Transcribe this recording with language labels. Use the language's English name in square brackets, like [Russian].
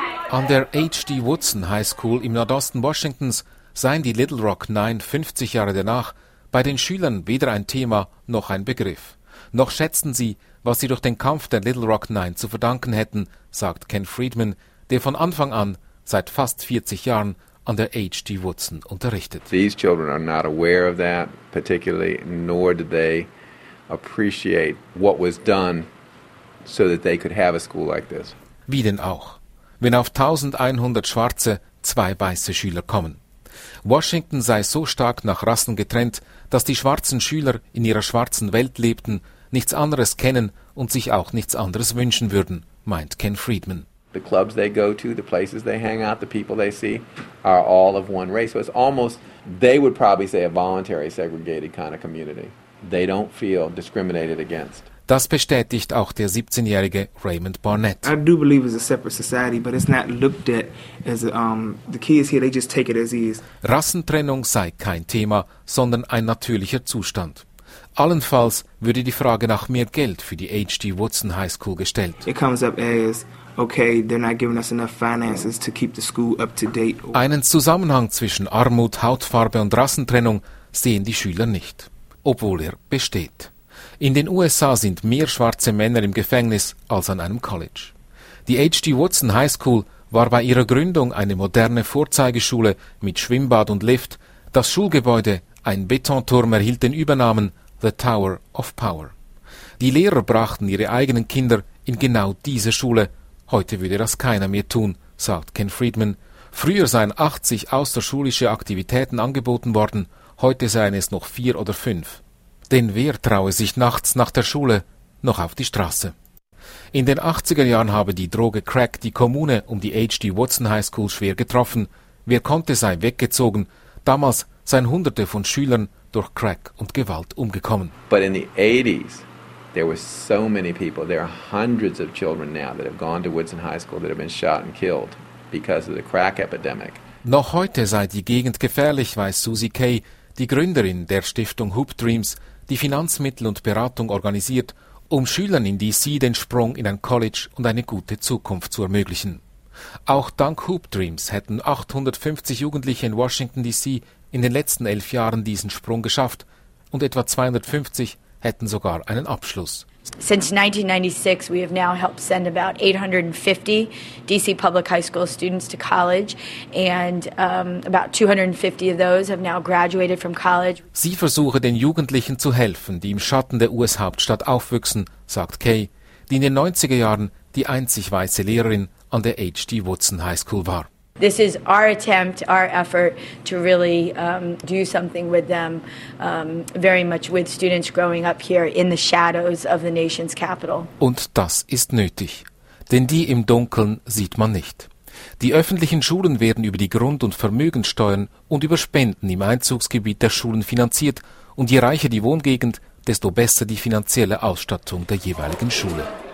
[German] An der H.D. Woodson High School im Nordosten Washingtons seien die Little Rock Nine 50 Jahre danach bei den Schülern weder ein Thema noch ein Begriff. Noch schätzen sie, was sie durch den Kampf der Little Rock Nine zu verdanken hätten, sagt Ken Friedman, der von Anfang an seit fast 40 Jahren an der H.D. Woodson unterrichtet. [English] These children are not aware of that, particularly, nor do they appreciate what was done so that they could have a school like this. [German] Wie denn auch, wenn auf 1100 schwarze, 2 weiße Schüler kommen. Washington sei so stark nach Rassen getrennt, dass die schwarzen Schüler in ihrer schwarzen Welt lebten, nichts anderes kennen und sich auch nichts anderes wünschen würden, meint Ken Friedman. [English] The clubs they go to, the places they hang out, the people they see are all of one race. So it's almost, they would probably say, a voluntary segregated kind of community. They don't feel discriminated against. [German] Das bestätigt auch der 17-jährige Raymond Barnett. [English] I do believe it's a separate society, but it's not looked at as the kids here, they just take it as is. [German] Rassentrennung sei kein Thema, sondern ein natürlicher Zustand. Allenfalls würde die Frage nach mehr Geld für die H.D. Woodson High School gestellt. [English] It comes up as, okay, they're not giving us enough finances to keep the school up to date. [German] Einen Zusammenhang zwischen Armut, Hautfarbe und Rassentrennung sehen die Schüler nicht. Obwohl besteht. In den USA sind mehr schwarze Männer im Gefängnis als an einem College. Die H.D. Woodson High School war bei ihrer Gründung eine moderne Vorzeigeschule mit Schwimmbad und Lift. Das Schulgebäude, ein Betonturm, erhielt den Übernamen «The Tower of Power». Die Lehrer brachten ihre eigenen Kinder in genau diese Schule. Heute würde das keiner mehr tun, sagt Ken Friedman. Früher seien 80 außerschulische Aktivitäten angeboten worden, heute seien es noch 4 oder 5. Denn wer traue sich nachts nach der Schule noch auf die Straße? In den 80er Jahren habe die Droge Crack die Kommune die H.D. Woodson High School schwer getroffen. Wer konnte, sei weggezogen. Damals seien Hunderte von Schülern durch Crack und Gewalt umgekommen. [English] But in the 80s, there were so many people. There are hundreds of children now that have gone to Woodson High School that have been shot and killed because of the crack epidemic. [German] Noch heute sei die Gegend gefährlich, weiß Susie Kay, die Gründerin der Stiftung Hoop Dreams, die Finanzmittel und Beratung organisiert, um Schülern in DC den Sprung in ein College und eine gute Zukunft zu ermöglichen. Auch dank Hoop Dreams hätten 850 Jugendliche in Washington DC in den letzten 11 Jahren diesen Sprung geschafft und etwa 250 hätten sogar einen Abschluss. [English] Since 1996, we have now helped send about 850 DC public high school students to college, and about 250 of those have now graduated from college. [German] Sie versuche den Jugendlichen zu helfen, die im Schatten der US-Hauptstadt aufwüchsen, sagt Kay, die in den 90er Jahren die einzig weiße Lehrerin an der H.D. Woodson High School war. [English] This is our attempt, our effort to really do something with them, very much with students growing up here in the shadows of the nation's capital. [German] Und das ist nötig, denn die im Dunkeln sieht man nicht. Die öffentlichen Schulen werden über die Grund- und Vermögenssteuern und über Spenden im Einzugsgebiet der Schulen finanziert und je reicher die Wohngegend, desto besser die finanzielle Ausstattung der jeweiligen Schule.